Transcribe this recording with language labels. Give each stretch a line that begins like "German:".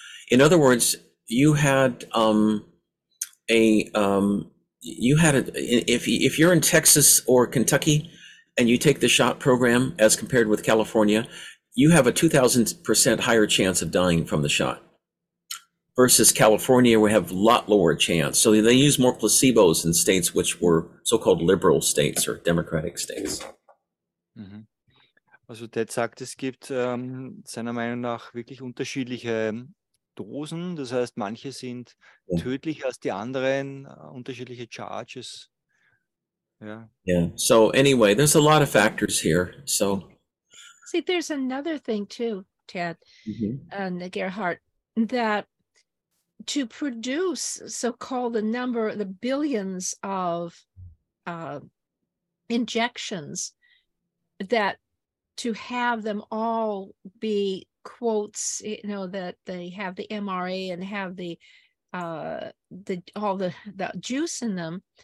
English: In other words, you had if you're in Texas or Kentucky and you take the shot program as compared with California, you have a 2000% higher chance of dying from the shot. Versus California, we have a lot lower chance. So they use more placebos in states which were so-called liberal states or democratic states. Mm-hmm.
German: Also Ted sagt, es gibt seiner Meinung nach wirklich unterschiedliche Dosen. Das heißt, manche sind tödlicher als die anderen, unterschiedliche Charges.
English: Yeah, so anyway, there's a lot of factors here. So, see, there's another thing too, Ted and Gerhard, that to produce so-called the billions of injections, that to have them all be quotes, you know, that they have the MRA and have the all the juice in them,